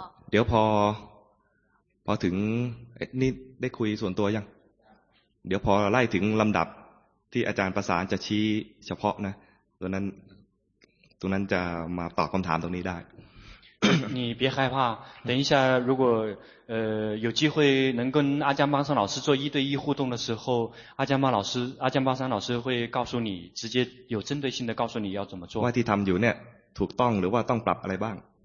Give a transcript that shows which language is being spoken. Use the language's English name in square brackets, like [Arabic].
[Thai] เดี๋ยวพอถึงนี่ได้คุยส่วนตัวยังเดี๋ยวพอไล่ถึงลำดับที่อาจารย์ประสานจะชี้เฉพาะนะตรงนั้นจะมาตอบคำถามตรงนี้ได้ [Chinese] 你别害怕，等一下，如果有机会能跟阿江巴山老师做一对一互动的时候，阿江巴山老师会告诉你，直接有针对性的告诉你要怎么做。 [Thai] ว่าที่ทำอยู่เนี่ยถูกต้องหรือว่าต้องปรับอะไรบ้าง。